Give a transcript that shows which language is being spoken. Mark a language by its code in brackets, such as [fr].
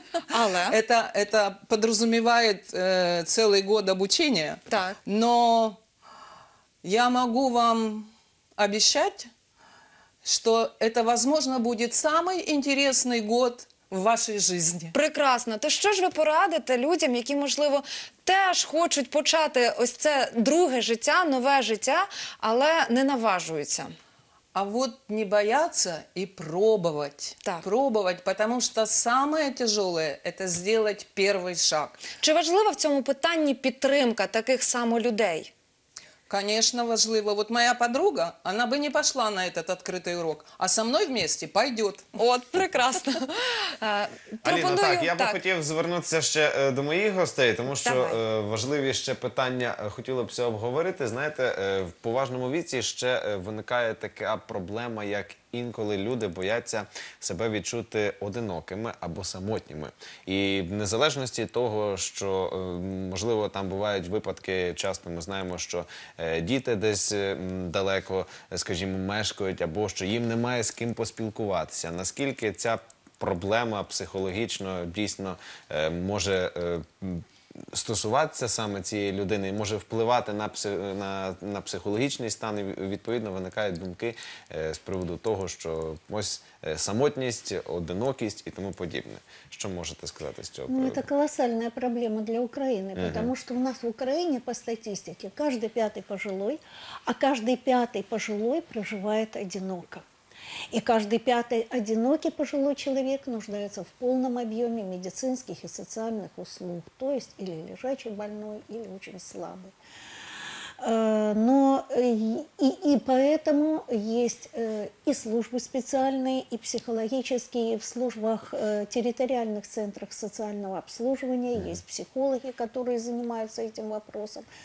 [ru] Але. Это подразумевает целый год обучения. Так. Но... Я могу вам обещать, что это, возможно, будет самый интересный год в вашей жизни. Прекрасно. [uk] То що ж ви порадите людям, які, можливо, теж хочуть почати ось це друге життя, нове життя, але не наважуються? [ru] А вот не бояться и пробовать. [uk] Так. [ru] Пробовать, потому что самое тяжелое – это сделать первый шаг. [uk] Чи важлива в цьому питанні підтримка таких само людей? [ru] Конечно, [uk] важливо. [ru] Вот моя подруга, она бы не пошла на этот открытый урок, а со мной вместе пойдет. Вот, прекрасно. [uk] Пропоную... Аліно, так, я би хотів звернутися ще до моїх гостей, тому що важливі ще питання хотіло б все обговорити. Знаєте, в поважному віці ще виникає така проблема, як інколи люди бояться себе відчути одинокими або самотніми. І в незалежності того, що, можливо, там бувають випадки, часто ми знаємо, що діти десь далеко, скажімо, мешкають, або що їм немає з ким поспілкуватися. Наскільки ця проблема психологічно дійсно може стосуватися саме цієї людини, може впливати на психологічний стан, і відповідно виникають думки з приводу того, що ось самотність, одинокість і тому подібне. Що можете сказати з цього? Ну, це колосальна проблема для України, тому що у нас в Україні по статистиці кожен п'ятий пожилий, а кожен п'ятий пожилий проживає одиноко. [ru] И каждый пятый одинокий пожилой человек нуждается в полном объеме медицинских и социальных услуг, то есть или лежачий больной, или очень слабый. Но и поэтому есть и службы специальные, и психологические, и в службах территориальных центрах социального обслуживания есть психологи, которые занимаются этим вопросом.